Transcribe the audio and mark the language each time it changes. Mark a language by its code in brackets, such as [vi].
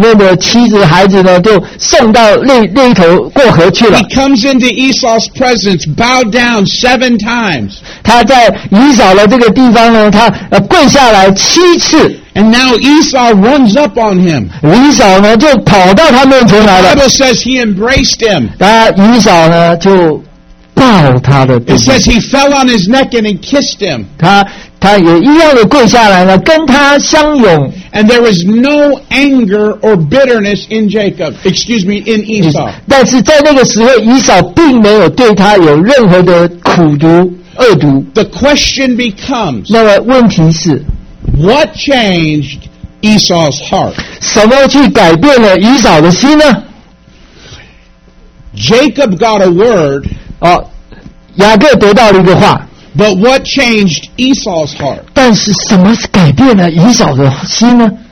[zh] 他把他的家庭里面的妻子孩子呢都送到另一头过河去了。 [en] He comes into Esau's presence, bowed down seven times. [zh] 他在以扫的这个地方呢，他跪下来七次。 [en] And now Esau runs up on him. [zh] 以扫呢就跑到他面前来了。 [en] The Bible says he embraced him. [zh] 以扫呢就抱他的。 [en] It says he fell on his neck and he kissed him. [zh] 他也一样的跪下来了，跟他相拥。 [en] And there was no anger or bitterness in Jacob. Excuse me, in Esau. [zh] 但是在那个时候，以扫并没有对他有任何的苦毒、恶毒。 [en] The question becomes. [zh] 那么问题是。 [en] What changed Esau's heart? [zh] 什么去改变了以扫的心呢？ [en] Jacob got a word. [zh] 雅各得到了一个话。 [en] But what changed Esau's heart? [zh] 但是什么改变了以扫的心呢？